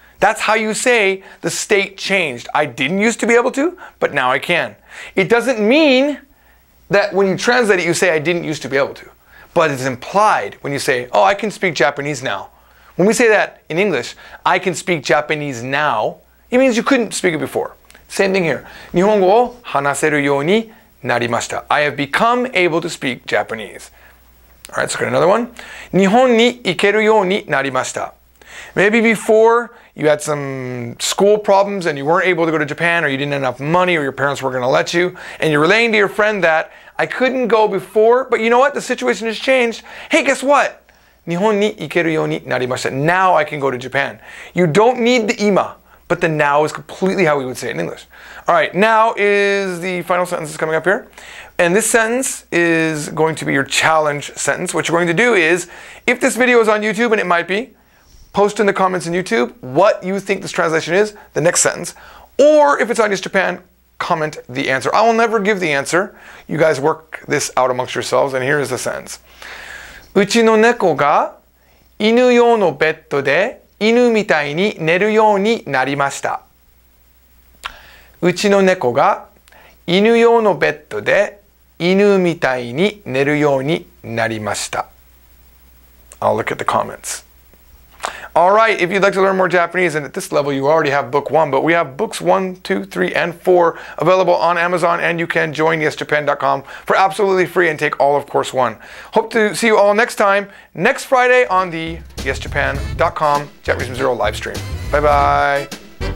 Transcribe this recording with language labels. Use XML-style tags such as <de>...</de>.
<en>That's how you say the state changed. I didn't used to be able to, but now I can. It doesn't mean that when you translate it, you say I didn't used to be able to. But it's implied when you say, oh, I can speak Japanese now. When we say that in English, I can speak Japanese now, it means you couldn't speak it before. Same thing here.</en> <ja>日本語を話せるようになりました。</ja> <en>I have become able to speak Japanese. All right, let's look at another one.</en> <ja>日本に行けるようになりました。</ja> <en>Maybe before you had some school problems and you weren't able to go to Japan or you didn't have enough money or your parents weren't going to let you. And you're relaying to your friend that I couldn't go before, but you know what? The situation has changed. Hey, guess what?</en> <ja>日本に行けるようになりました。</ja> <en>Now I can go to Japan. You don't need the 今, but the now is completely how we would say it in English. All right, now is the final sentence that's coming up here. And this sentence is going to be your challenge sentence. What you're going to do is, if this video is on YouTube, and it might be, post in the comments on YouTube what you think this translation is, the next sentence. Or if it's on East Japan, comment the answer. I will never give the answer. You guys work this out amongst yourselves. And here is the sentence.</en> <ja>うちの猫が犬用のベッドで犬みたいに寝るようになりました。うちの猫が犬用のベッドで犬みたいに寝るようになりました。</ja> <en>I'll look at the comments. All right, if you'd like to learn more Japanese, and at this level, you already have book one, but we have books 1, 2, 3, and 4 available on Amazon, and you can join yesjapan.com for absolutely free and take all of course one. Hope to see you all next time, next Friday on the yesjapan.com Japanese from Zero live stream. Bye-bye.</en>